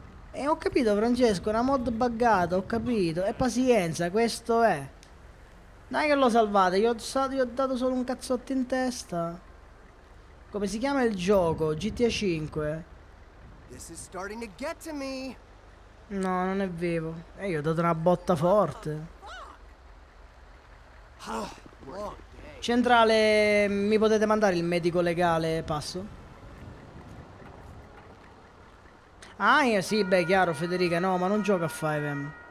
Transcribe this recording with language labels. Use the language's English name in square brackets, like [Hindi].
[Italian] E ho capito, Francesco, una mod buggata, ho capito. E pazienza, questo è. Dai che l'ho salvata, gli ho dato solo un cazzotto in testa. Come si chiama il gioco? GTA 5? [English] This is starting to get to me. [Italian] No, non è vero. Io ho dato una botta forte. Centrale, mi potete mandare il medico legale? Passo. Ah, sì, beh, chiaro, Federica. No, ma non gioca a 5M.